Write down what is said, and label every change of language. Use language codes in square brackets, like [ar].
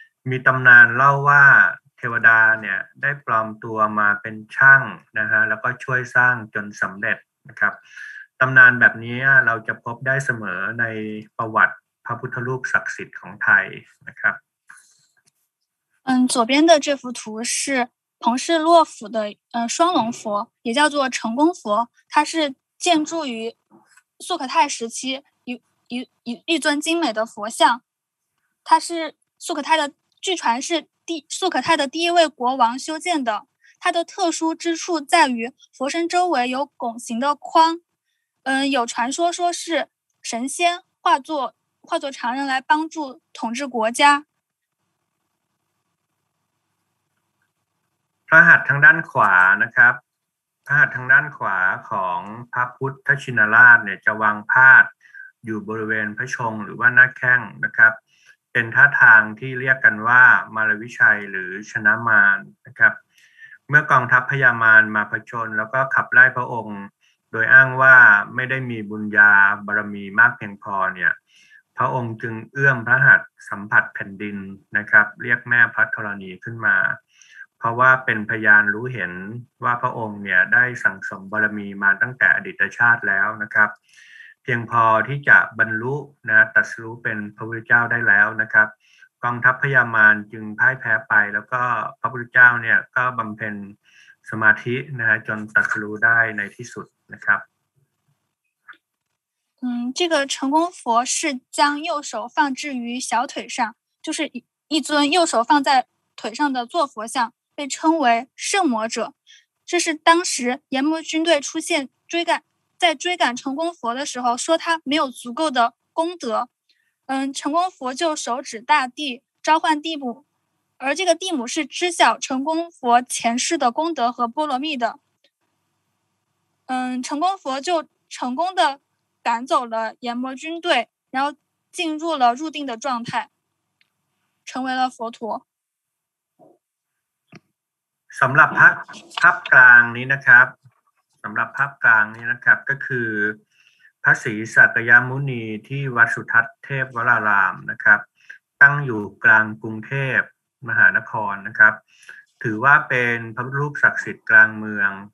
[th] มีตำนานเล่าว่าเทวดาเนี่ยได้ปลอมตัวมาเป็นช่างนะฮะแล้วก็ช่วยสร้างจนสำเร็จนะครับตำนานแบบนี้เราจะพบได้เสมอในประวัติพระพุทธรูปศักดิ์สิทธิ์ของไทยนะครับ [zh] 左边的这幅图是彭氏洛府的双龙佛，也叫做成功佛，它是建筑于素可泰时期一尊精美的佛像，它是素可泰的，据传是素可泰的第一位国王修建的。它的特殊之处在于佛身周围有拱形的框，有传说说是神仙化作常人来帮助统治国家。 [th] พระหัตถ์ทางด้านขวานะครับพระหัตถ์ทางด้านขวาของพระพุทธชินราชเนี่ยจะวางพาดอยู่บริเวณพระชงหรือว่าหน้าแข้งนะครับเป็นท่าทางที่เรียกกันว่ามารวิชัยหรือชนะมารนะครับเมื่อกองทัพพญามารมาผจญแล้วก็ขับไล่พระองค์โดยอ้างว่าไม่ได้มีบุญญาบารมีมากเพียงพอเนี่ยพระองค์จึงเอื้อมพระหัตถ์สัมผัสแผ่นดินนะครับเรียกแม่พระธรณีขึ้นมา เพราะว่าเป็นพยานรู้เห็นว่าพระองค์เนี่ยได้สั่งสมบารมีมาตั้งแต่อดีตชาติแล้วนะครับเพียงพอที่จะบรรลุนะตรัสรู้เป็นพระพุทธเจ้าได้แล้วนะครับกองทัพพญามารจึงพ่ายแพ้ไปแล้วก็พระพุทธเจ้าเนี่ยก็บำเพ็ญสมาธินะจนตรัสรู้ได้ในที่สุดนะครับ [zh] 这个成功佛是将右手放置于小腿上，就是一尊右手放在腿上的坐佛像，被称为圣魔者。这是当时阎魔军队出现追赶成功佛的时候，说他没有足够的功德，成功佛就手指大地召唤地母，而这个地母是知晓成功佛前世的功德和波罗蜜的，成功佛就成功的赶走了阎魔军队，然后进入了入定的状态，成为了佛陀。 [th] สำหรับภาพกลางนี้นะครับสำหรับภาพกลางนี้นะครับก็คือพระศรีสักยมุนีที่วัดสุทัศน์เทพวรารามนะครับตั้งอยู่กลางกรุงเทพมหานครนะครับถือว่าเป็นพระรูปศักดิ์สิทธิ์กลางเมือง